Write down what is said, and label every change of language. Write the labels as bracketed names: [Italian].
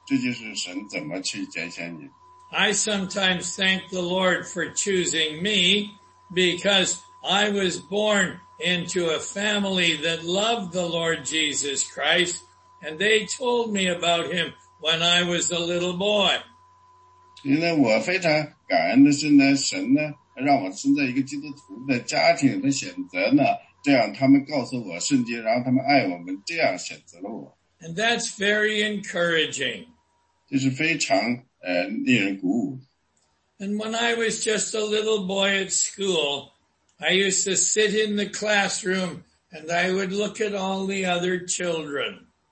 [Chinese] 因为神呢,他怎么选择你呢?他安排你来听,然后呢,他鼓励你去信,这就是神怎么去拣选你。 [English] I sometimes thank the Lord for choosing me because I was born into a family that loved the Lord Jesus Christ, and they told me about him when I was a little boy. [Chinese] 因为我非常感恩的是呢,神呢,让我生在一个基督徒的家庭的选择呢,这样他们告诉我圣经,然后他们爱我们,这样选择了我。 [English] And that's very encouraging. [Chinese] 这是非常令人鼓舞。 [English] And when I was just a little boy at school, I used to sit in the classroom and I would look at all the other children.